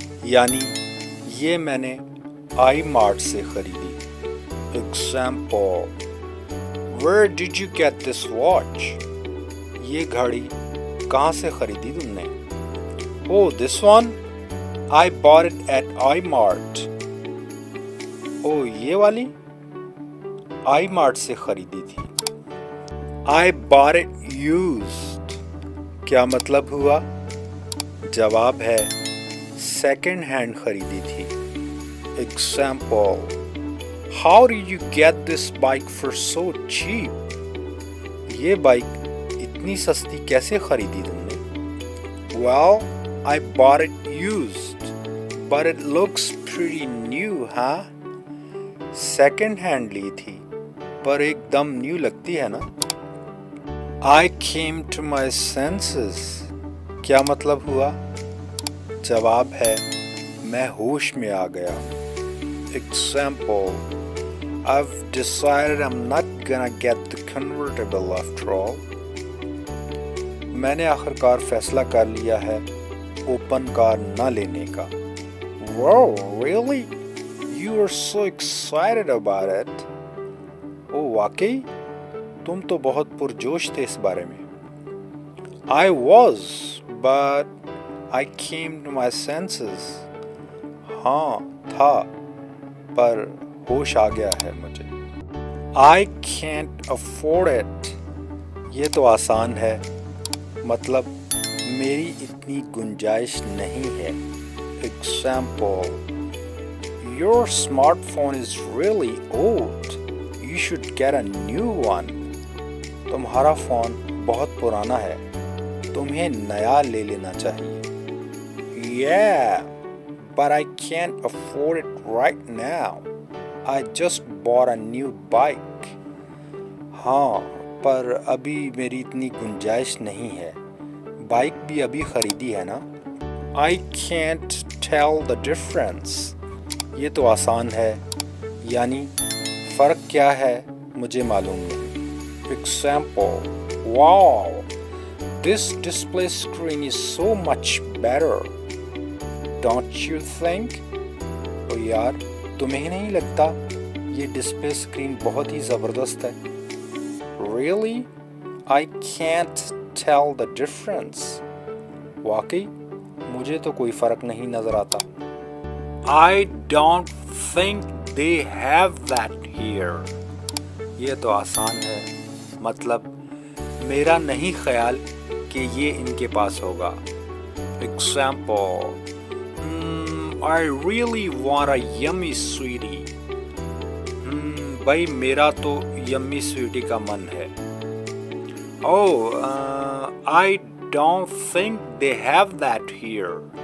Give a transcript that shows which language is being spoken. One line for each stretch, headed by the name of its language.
Hindi: यानी ये मैंने iMart से खरीदी.
English: Example. Where did you get this watch?
Hindi: ये घड़ी कहाँ से खरीदी तुमने?
English: Oh, this one? I bought it at iMart. Oh,
Hindi: ये वाली? iMart से खरीदी थी.
English: I bought it used.
Hindi: क्या मतलब हुआ? जवाब है, second hand खरीदी थी.
English: Example. How did you get this bike for so cheap?
Hindi: ये bike इतनी सस्ती कैसे खरीदी तुमने?
English: Well, I bought it used, but it looks pretty new, huh?
Hindi: Second hand ली थी, पर एकदम new लगती है ना?
English: I came to my senses.
Hindi: क्या मतलब हुआ? जवाब है, मैं होश में आ गया. Example.
English: I've decided I'm not gonna get the convertible after all.
Hindi: मैंने आखिरकार फैसला कर लिया है ओपन कार ना लेने का.
English: Wow, really? You are so excited about it.
Hindi: Oh, वाकई? तुम तो बहुत पुरजोश थे इस बारे में.
English: I was, but I came to my senses.
Hindi: हाँ, था, पर होश आ गया है मुझे.
English: I can't afford it.
Hindi: ये तो आसान है. मतलब मेरी इतनी गुंजाइश नहीं है.
English: Example. Your smartphone is really old. You should get a new one.
Hindi: तुम्हारा फोन बहुत पुराना है. तुम्हें नया ले लेना चाहिए.
English: Yeah, but I can't afford it right now. I just bought a new bike.
Hindi: हाँ, पर अभी मेरी इतनी गुंजाइश नहीं है. बाइक भी अभी खरीदी है ना?
English: I can't tell the difference.
Hindi: ये तो आसान है. यानी फर्क क्या है मुझे मालूम नहीं.
English: Example. Wow, this display screen is so much better. Don't you think?
Hindi: ओ यार, तुम्हें नहीं लगता ये डिस्प्ले स्क्रीन बहुत ही जबरदस्त है?
English: Really? I can't tell the difference.
Hindi: वाकई मुझे तो कोई फर्क नहीं नजर आता.
English: I don't think they have that here.
Hindi: ये तो आसान है. मतलब मेरा नहीं ख्याल कि ये इनके पास होगा.
English: Example. I really want a yummy sweetie.
Hindi: भाई मेरा तो यम्मी स्वीटी का मन है.
English: Oh, I don't think they have that here.